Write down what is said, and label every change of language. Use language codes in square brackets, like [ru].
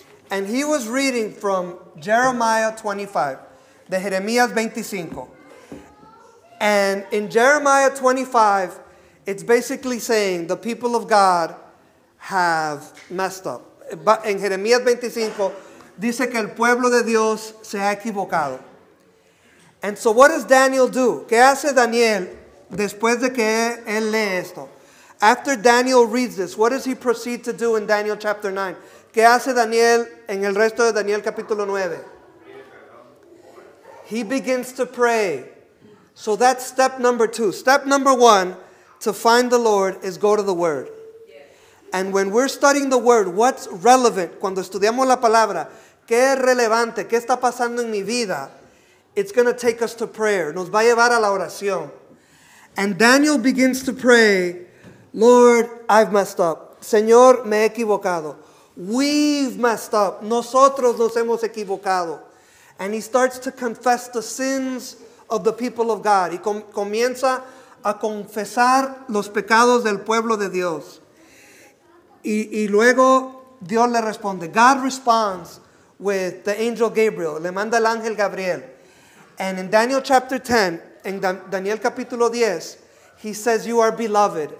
[en] And he was reading from Jeremiah 25, [es] de Jeremías 25. [en] And in Jeremiah 25, it's basically saying the people of God have messed up. [es] En Jeremías 25 dice que el pueblo de Dios se ha equivocado. [en] And so what does Daniel do? [es] ¿Qué hace Daniel después de que él lee esto? [en] After Daniel reads this, what does he proceed to do in Daniel chapter 9? [es] ¿Qué hace Daniel en el resto de Daniel capítulo 9? [en] He begins to pray. So that's step number two. Step number one to find the Lord is go to the Word. And when we're studying the Word, what's relevant? [es] Cuando estudiamos la palabra, ¿qué es relevante? ¿Qué está pasando en mi vida? [en] It's going to take us to prayer. [es] Nos va a llevar a la oración. [en] And Daniel begins to pray, Lord, I've messed up. [es] Señor, me he equivocado. [en] We've messed up. [es] Nosotros nos hemos equivocado. [en] And he starts to confess the sins of the people of God. [es] Y comienza a confesar los pecados del pueblo de Dios. Y luego Dios le responde. [en] God responds with the angel Gabriel. [es] Le manda el ángel Gabriel. [en] And in Daniel chapter 10, [es] en Daniel capítulo 10, [en] he says, you are beloved.